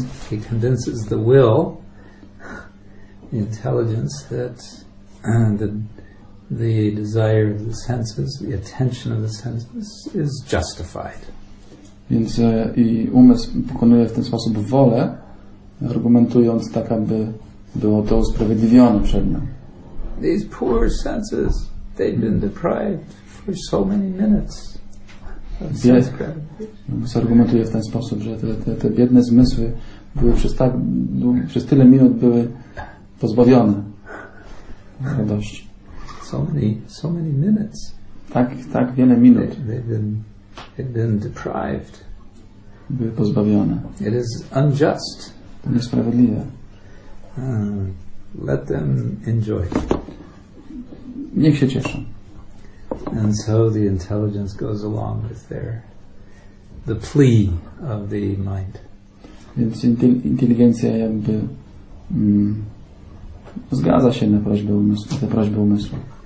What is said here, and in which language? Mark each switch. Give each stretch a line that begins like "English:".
English: He condenses the will, the intelligence that the desire of the senses, the attention of the senses is justified.
Polish: Więc i umysł pokonuje w ten sposób wolę, argumentując tak, aby było to usprawiedliwione przed nią.
English: These poor senses, they've been deprived for so many minutes.
Polish: Umysł argumentuje w ten sposób, że te biedne zmysły były przez tyle minut były pozbawione radości.
English: So many minutes.
Polish: Tak wiele minut.
English: They've been deprived.
Polish: Były pozbawione.
English: It is unjust.
Polish: To niesprawiedliwe.
English: Let them enjoy.
Polish: Niech się cieszą.
English: And so the intelligence goes along with the plea of the mind.
Polish: Więc inteligencja jakby zgadza się na prośbę umysłu.